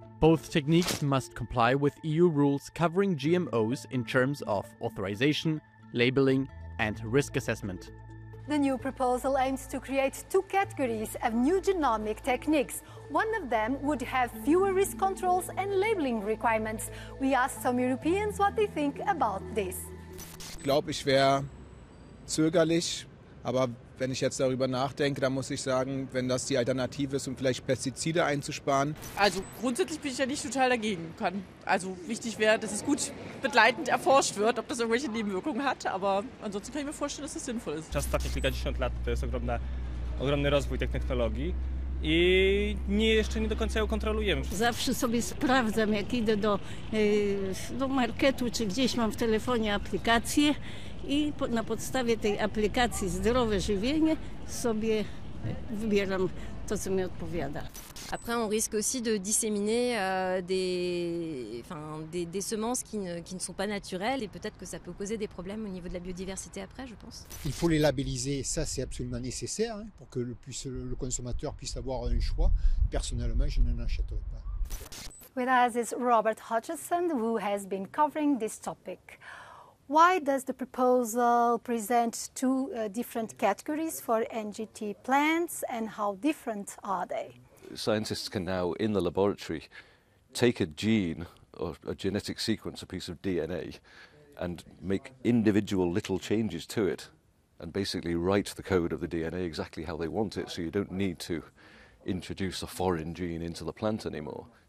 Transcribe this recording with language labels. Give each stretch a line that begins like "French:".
English: Both techniques must comply with EU rules covering GMOs in terms of authorization, labeling, and risk assessment. The new proposal aims to create two categories of new genomic techniques. One of them would have fewer risk controls and labeling requirements. We asked some Europeans what they think about this.
German: Ich glaube, ich wäre zögerlich, aber wenn ich jetzt darüber nachdenke, dann muss ich sagen, wenn das die Alternative ist, um vielleicht Pestizide einzusparen. Also grundsätzlich bin ich ja nicht total dagegen. Also wichtig wäre, dass es gut begleitend erforscht wird, ob das irgendwelche Nebenwirkungen hat. Aber ansonsten kann ich mir vorstellen, dass das sinnvoll ist.
Polish: Czas takich kilkadziesiąt lat to jest ogromny rozwój technologii. I nie, jeszcze nie do końca ją kontrolujemy. Zawsze sobie sprawdzam, jak idę do marketu, czy gdzieś mam w telefonie aplikację i na podstawie tej aplikacji zdrowe żywienie sobie wybieram to, co mi odpowiada.
French: Après, on risque aussi de disséminer des semences qui ne sont pas naturelles et peut-être que ça peut causer des problèmes au niveau de la biodiversité après, je pense. Il faut les labelliser, ça c'est absolument nécessaire hein, pour que le consommateur puisse avoir un choix. Personnellement, je n'en achèterai pas.
English: With us is Robert Hutchison, who has been covering this topic. Why does the proposal present two different categories for NGT plants and how different are they? Scientists can now, in the laboratory, take a gene or a genetic sequence, a piece of DNA, and make individual little changes to it and basically write the code of the DNA exactly how they want it, so you don't need to introduce a foreign gene into the plant anymore.